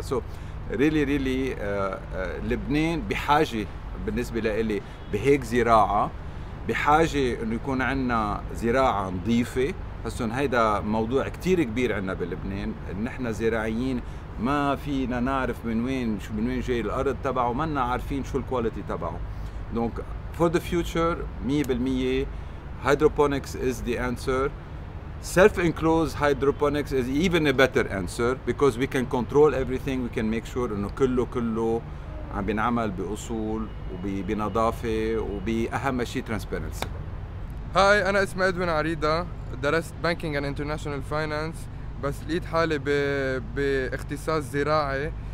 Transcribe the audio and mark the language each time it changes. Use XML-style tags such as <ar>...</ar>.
<en>so really really</en> <ar>لبنان بحاجة بالنسبة لإلي بهيك زراعة، بحاجة انه يكون عنا زراعة نظيفة. حسن هيدا موضوع كتير كبير عنا بلبنان، نحنا زراعيين ما فينا نعرف من وين جاي الارض تبعه، ما لنا عارفين شو الكواليتي تبعه. دونك</ar> <en>for the future 100% hydroponics is the answer. Self-enclosed hydroponics is even a better answer because we can control everything. We can make sure</en> <ar>انه كله عم بنعمل بأصول وبنظافة وبأهم شيء transparency. هاي أنا اسمي إدوين عريضة، درست</ar> <en>banking and international finance،</en> <ar>بس لقيت حالي باختصاص زراعي.</ar>